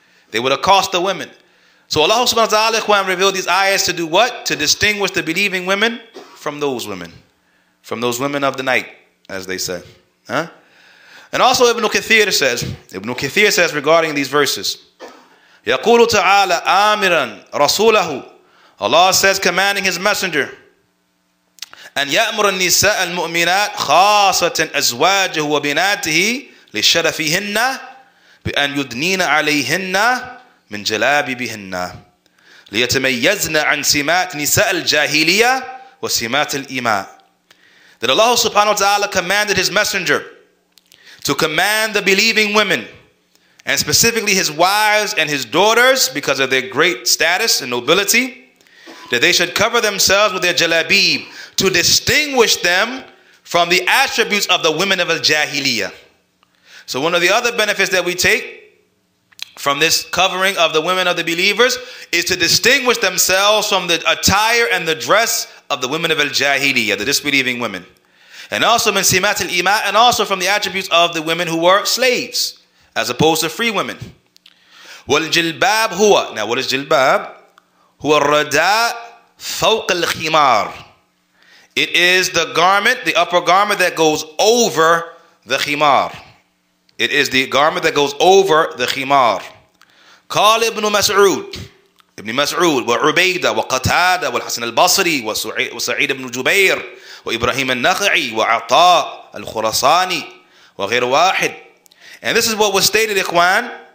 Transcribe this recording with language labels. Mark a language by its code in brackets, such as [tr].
[en] They would accost the women. So Allah subhanahu wa ta'ala revealed these ayahs to do what? To distinguish the believing women from those women. From those women of the night as they say. Huh? And also Ibn Kathir says regarding these verses, [ar] يَقُولُ تَعَالَى آمِرًا رَسُولَهُ. [en] Allah says, commanding His Messenger, [ar] أَنْ يَأْمُرَ النِّسَاءَ الْمُؤْمِنَاتِ خَاصَةً أَزْوَاجِهُ وَبِنَاتِهِ لِشَرَفِهِنَّ بِأَنْ يُدْنِينَ عَلَيْهِنَّ مِنْ جَلَابِبِهِنَّ لِيَتَمَيَّزْنَ عَنْ سِمَاتِ نِسَاءَ الْجَاهِلِيَّةِ وَسِمَاتِ الْإِيمَاءِ. [en] That Allah subhanahu wa ta'ala commanded His Messenger to command the believing women, and specifically His wives and His daughters, because of their great status and nobility, that they should cover themselves with their jalabib to distinguish them from the attributes of the women of al-jahiliyyah. So one of the other benefits that we take from this covering of the women of the believers is to distinguish themselves from the attire and the dress of the women of al-jahiliyyah, the disbelieving women. And also [ar] min simat al-ima, [en] and also from the attributes of the women who were slaves, as opposed to free women. [ar] وَالْجِلْبَابْ هُوَ. [en] Now what is jilbab? [ar] هُوَ الرَّدَاء فَوْقَ الْخِمَارِ. [en] It is the garment, the upper garment that goes over the khimar. It is the garment that goes over the khimar. [ar] قَالِ ابْنُ مَسْعُودِ. Ibn Mas'ud, وَعُبَيْدَ وَقَتَادَ وَالْحَسَنَ الْبَصْرِي وَسَعِيدَ ابْنُ جُبَيْرِ وَإِبْرَهِيمَ النَّخْعِي وَعَطَاءَ الْخُرَصَانِي وَغِيْرُ وَاحِدِ. [en] And this is what was stated, Ikhwan.